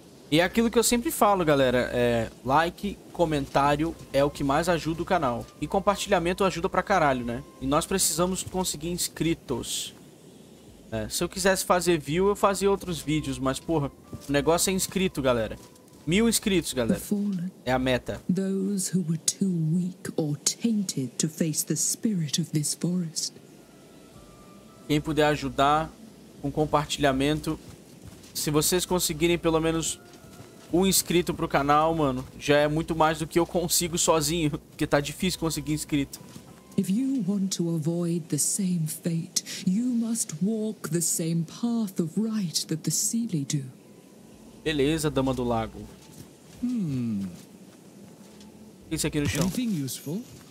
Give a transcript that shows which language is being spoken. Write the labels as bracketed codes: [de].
[pt] E é aquilo que eu sempre falo, galera. É like, comentário é o que mais ajuda o canal. E compartilhamento ajuda pra caralho, né? E nós precisamos conseguir inscritos. É, se eu quisesse fazer view, eu fazia outros vídeos. Mas, porra, o negócio é inscrito, galera. 1000 inscritos, galera. É a meta. [en] Those who were too weak or tainted to face the spirit of this forest. [pt] Quem puder ajudar com compartilhamento. Se vocês conseguirem pelo menos um inscrito pro canal, mano, já é muito mais do que eu consigo sozinho, porque tá difícil conseguir inscrito. [en] If you want to avoid the same fate, you must walk the same path of right that the Seelie do. [pt] Beleza, Dama do Lago. Isso aqui no chão. [en] Anything useful?